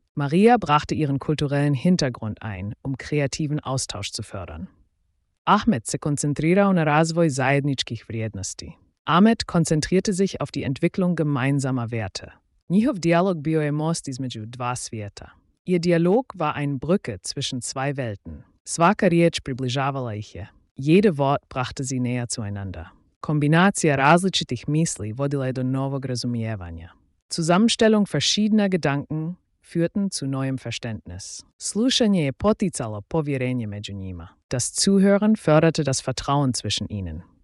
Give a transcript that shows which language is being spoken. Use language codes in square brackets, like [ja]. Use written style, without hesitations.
[de] Maria brachte ihren kulturellen Hintergrund ein, um kreativen Austausch zu fördern. [hr] Ahmed se konzentrirao na razvoj zajedničkih vrijednosti. [de] Ahmed konzentrierte sich auf die Entwicklung gemeinsamer Werte. [hr] Njihov dialog bio je most između dva svijeta. [de] Ihr Dialog war eine Brücke zwischen zwei Welten. [hr] Svaka riječ približavala ih je. [de] Jede Wort brachte sie näher zueinander. [hr] Kombinacija različitih misli vodila je do novog razumijevanja. [de] Zusammenstellung verschiedener Gedanken führten zu neuem Verständnis. [hr] Slušanje je poticalo povjerenje među njima. [de] Das Zuhören förderte das Vertrauen zwischen ihnen.